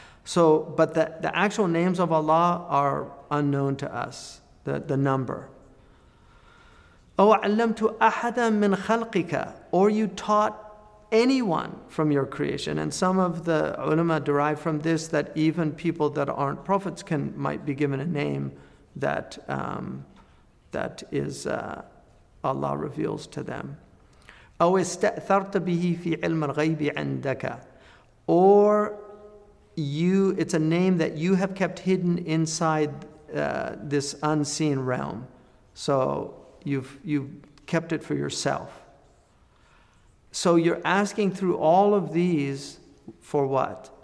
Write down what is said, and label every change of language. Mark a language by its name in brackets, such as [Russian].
[English] So, but the actual names of Allah are unknown to us, the number. [Arabic] أَوْ عَلَّمْتُ أَحَدًا مِّنْ خَلْقِكَ, [English] or you taught anyone from your creation. And some of the ulama derive from this that even people that aren't prophets can might be given a name that that is Allah reveals to them. [Arabic] أو استأثرت به في علم الغيب عندك. [English] Or you, it's a name that you have kept hidden inside this unseen realm. So you've kept it for yourself. So you're asking through all of these for what?